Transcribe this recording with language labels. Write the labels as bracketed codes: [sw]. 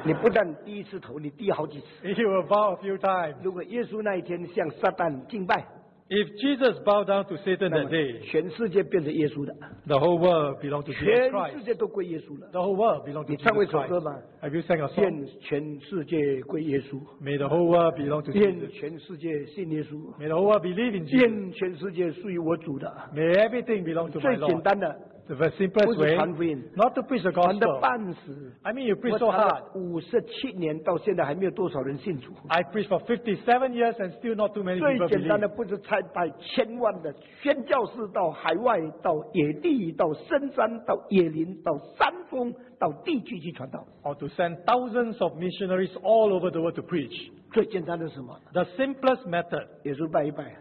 [zh] 你不但低一次头，你低好几次。 [en] You will bow a few times。 [zh] 如果耶稣那一天向撒旦敬拜。 [en] If Jesus bowed down to Satan that day, [zh] 全世界变成耶稣的。 [en] The whole world belongs to Jesus Christ. [zh] 全世界都归耶稣了。 [en] The whole world belongs to Jesus Christ. [zh] 你唱过一首歌吗 [en] ？Have you sang a song? [zh] 愿全世界归耶稣。 [en] May the whole world belong to Jesus. [zh] 愿全世界信耶稣。 [en] May the whole world believe in Jesus. [zh] 愿全世界属于我主的。 [en] May everything belong to my Lord. [zh] 最简单的。 [en] The simplest way, not to preach the gospel. I mean, you preach so hard. [zh] 57年到现在还没有多少人信主。 [en] I preach for 57 years and still not too many people believe. [zh] 最简单的不是参拜千万的宣教士，到海外，到野地，到深山，到野林，到山峰，到地区去传道。 [en] Or to send thousands of missionaries all over the world to preach. [zh] 最简单的是什么 [en] ？The simplest method. [zh] 耶稣拜一拜。